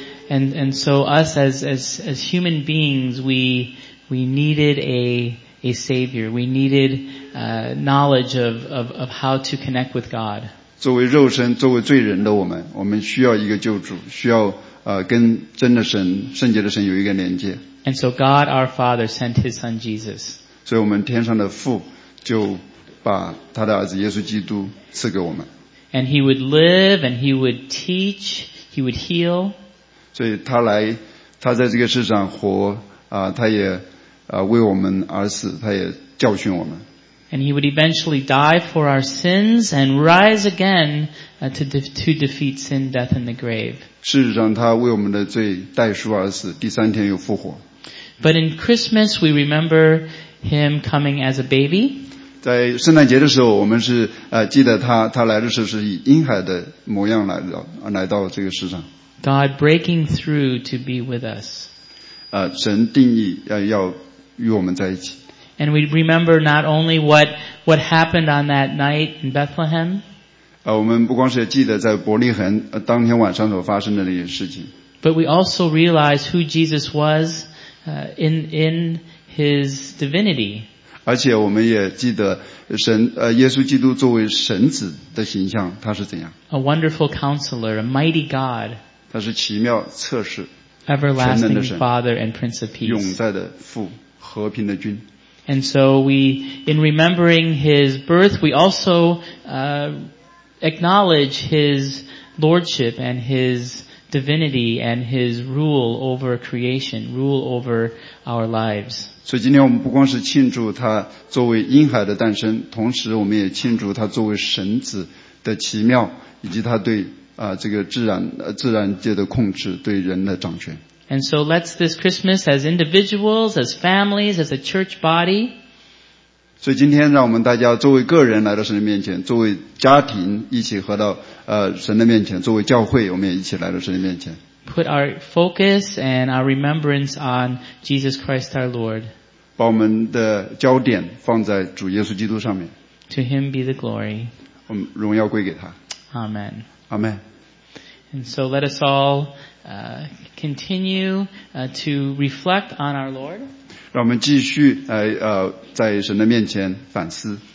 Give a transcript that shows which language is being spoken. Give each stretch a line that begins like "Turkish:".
English: And so us as human beings, we needed a savior. We needed knowledge of how to connect with God.
Chinese: 作为肉身，作为罪人的我们需要一个救主，需要跟真的神、圣洁的神有一个连接。
English: And so God our Father sent His Son Jesus.
Chinese: 所以我们天上的父就把他的儿子耶稣基督赐给我们。
English: And He would live, and He would teach, He would heal.
Chinese: 所以他来，他在这个世上活他也为我们而死，他也教训我们。
English: And he would eventually die for our sins and rise again to defeat sin, death, and the grave.
Chinese: 事实上，他为我们的罪代赎而死，第三天又复活。
English: But in Christmas, we remember him coming as a baby.
Chinese: 在圣诞节的时候，我们是记得他来的时候是以婴孩的模样来到这个世上。
English: God breaking through to be with us.
Chinese: 神定义要与我们在一起。
English: And we remember not only what happened on that night in Bethlehem.
Chinese: 我们不光是记得在伯利恒当天晚上所发生的那些事情。
English: But we also realize who Jesus was in his divinity.
Chinese: 而且我们也记得神耶稣基督作为神子的形象他是怎样。
English: A wonderful counselor, a mighty God.
Chinese: 他是奇妙测试
English: Everlasting Father and Prince of Peace
Chinese: 永在的父和平的君
English: And so we in remembering his birth we also acknowledge his lordship and his divinity and his rule over creation rule over our lives
Chinese: 所以今天我们不光是庆祝他作为婴孩的诞生同时我们也庆祝他作为神子的奇妙以及他对这个自然界的控制对人的掌权。
English: And so let's this Christmas as individuals, as families, as a church body.
Chinese: 所以今天让我们大家作为个人来到神的面前，作为家庭一起和到神的面前，作为教会我们也一起来到神的面前。
English: Put our focus and our remembrance on Jesus Christ our Lord.
Chinese: 把我们的焦点放在主耶稣基督上面。
English: To him be the glory.
Chinese: 荣耀归给他。
English: Amen. Amen. And so let us all continue to reflect on our Lord.
Chinese: 让我们继续, 在神的面前反思。